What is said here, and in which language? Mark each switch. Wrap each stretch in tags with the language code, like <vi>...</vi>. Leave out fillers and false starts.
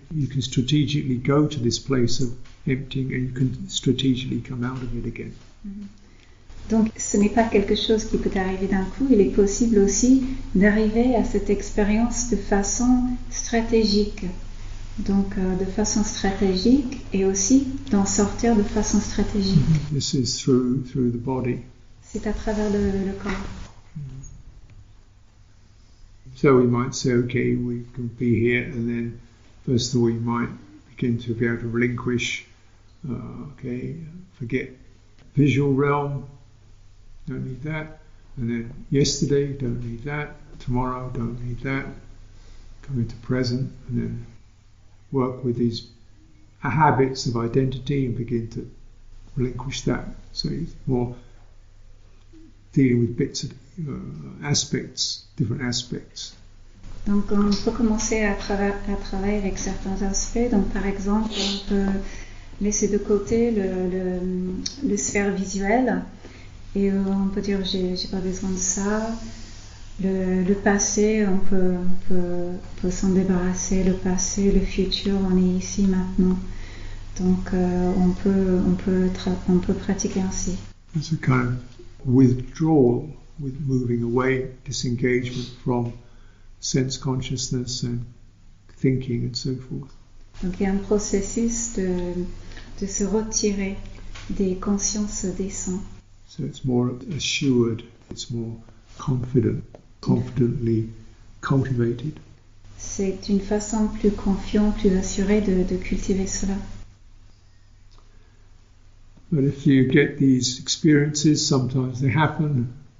<en>You can strategically go to this place of emptying and you can strategically come out of it again.</en> <fr>Donc ce n'est pas quelque chose qui peut arriver d'un coup. Il est possible aussi d'arriver à cette expérience de façon stratégique. Donc de façon stratégique et aussi d'en sortir de façon stratégique.</fr> <en>This is through the body.</en> <fr>C'est à travers le corps.</fr> <en>So we might say, okay, we can be here, and then first of all, we might begin to be able to relinquish, okay, forget visual realm, don't need that, and then yesterday, don't need that, tomorrow, don't need that, come into present, and then work with these habits of identity and begin to relinquish that. So it's more dealing with bits of aspects, different aspects.</en> <fr>Donc on peut commencer à travailler avec certains aspects. Donc par exemple, on peut laisser de côté le sphère visuelle et on peut dire j'ai pas besoin de ça. Le passé, on peut s'en débarrasser. Le passé, le futur, on est ici maintenant. Donc on peut pratiquer ainsi.</fr> <en>It's a kind of withdrawal. With moving away, disengagement from sense consciousness and thinking and so forth.</en> <fr>Donc il y a un processus de se retirer des consciences des sens.</fr> <en>So it's more assured, it's more confident, confidently cultivated.</en> <fr>C'est une façon plus confiante, plus assurée de cultiver cela.</fr> <en>But if you get these experiences, sometimes they happen.</en>